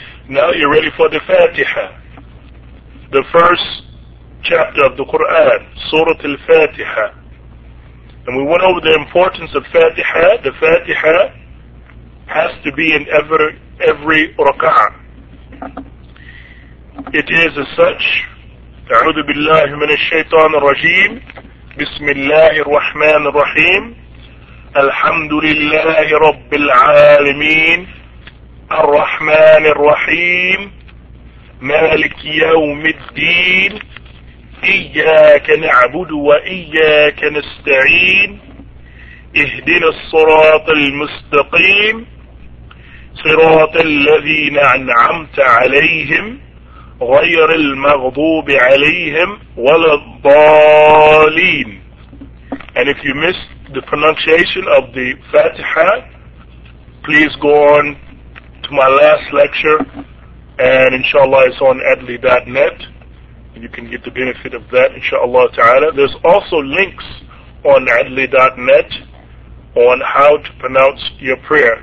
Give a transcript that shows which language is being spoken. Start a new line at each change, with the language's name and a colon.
English: Now you're ready for the Fatiha, the first chapter of the Qur'an, Surah Al-Fatiha. And we went over the importance of Fatiha. The Fatiha has to be in every rak'ah. It is as such,
Arabic: A'udhu Billahi Min Ash-Shaytan Ar-Rajim, Bismillahi Ar-Rahman Ar-Rahim, الحمد لله رب العالمين الرحمن الرحيم مالك يوم الدين إياك نعبد وإياك نستعين اهدنا الصراط المستقيم صراط الذين أنعمت عليهم غير المغضوب عليهم ولا الضالين.
English: And if you missed the pronunciation of the Fatiha, please go on to my last lecture, and inshallah it's on adli.net, and you can get the benefit of that, inshallah ta'ala. There's also links on adli.net on how to pronounce your prayer.